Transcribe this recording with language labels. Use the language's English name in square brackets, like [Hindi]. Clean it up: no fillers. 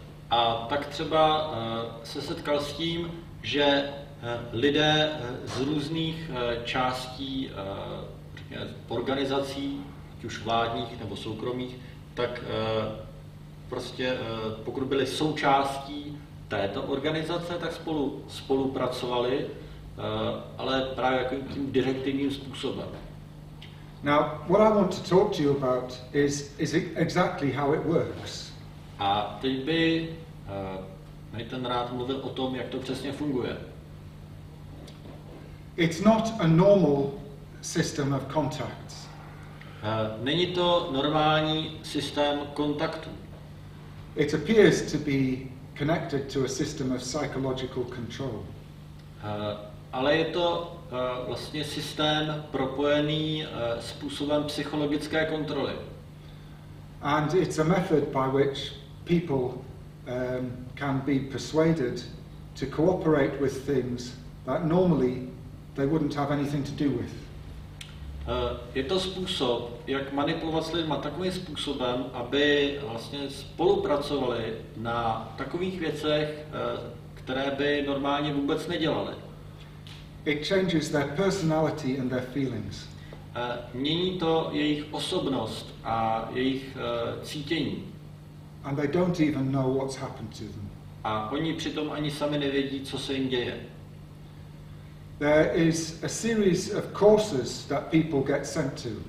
[Czech] A tak třeba se setkal s tím, že lidé z různých částí organizací, ať už vládních nebo soukromých, tak prostě pokud byli součástí této organizace, tak spolupracovali, ale právě tím direktivním způsobem. [English] Now, what I want to talk to you about is exactly how it works. [Czech] A teď by Nathan rád mluvil o tom, jak to přesně funguje. [English] It's not a normal system of contacts. [Czech] Není to normální systém kontaktů. [English] It appears to be connected to a system of psychological control. [Czech] Ale je to vlastně systém propojený způsobem psychologické kontroly. [English] And it's a method by which people can be persuaded to cooperate with things that normally they wouldn't have anything to do with. [Czech] Je to způsob, jak manipulovat s lidma takovým způsobem, aby vlastně spolupracovali na takových věcech, které by normálně vůbec nedělali. [English] It changes their personality and their feelings. [Czech] Mění to jejich osobnost a jejich cítění. [English] And they don't even know what's happened to them. [Czech] A oni přitom ani sami nevědí, co se jim děje. [English] There is a series of courses that people get sent to.